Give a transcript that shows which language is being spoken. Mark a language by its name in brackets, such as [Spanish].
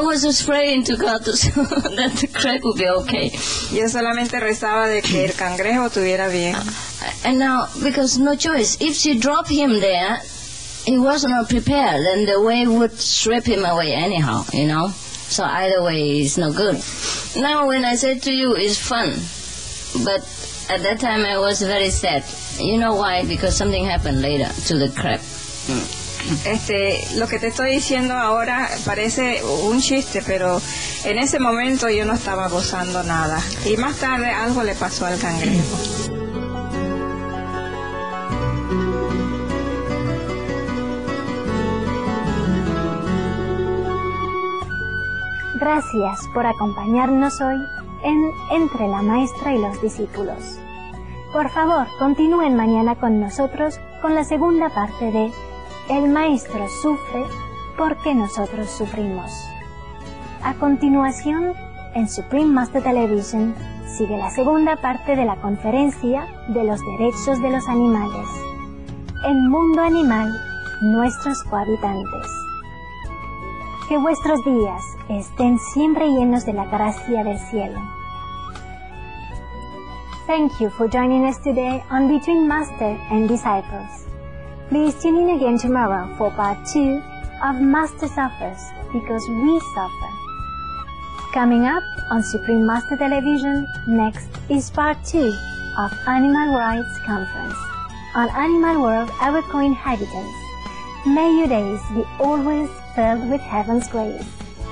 [English] I was just praying to God to see that the crab would be okay. [Spanish] Yo solamente rezaba de que el cangrejo estuviera bien. [English] And now, because no choice, if she dropped him there, he was not prepared, then the wave would sweep him away anyhow, you know. So either way, it's no good. Now, when I said to you, it's fun, but at that time I was very sad. You know why? Because something happened later to the crab. [Spanish] Lo que te estoy diciendo ahora parece un chiste, pero en ese momento yo no estaba gozando nada. Y más tarde algo le pasó al cangrejo. Gracias por acompañarnos hoy en Entre la Maestra y los Discípulos. Por favor, continúen mañana con nosotros con la segunda parte de El Maestro Sufre, ¿por qué nosotros sufrimos? A continuación, en Supreme Master Television, sigue la segunda parte de la conferencia de los derechos de los animales. En Mundo Animal, nuestros cohabitantes. Que vuestros días estén siempre llenos de la gracia del cielo. [English] Thank you for joining us today on Between Master and Disciples. Please tune in again tomorrow for part 2 of Master Suffers Because We Suffer. Coming up on Supreme Master Television, next is part 2 of Animal Rights Conference on Animal World Our Co-Inhabitants. May your days be always filled with heaven's grace.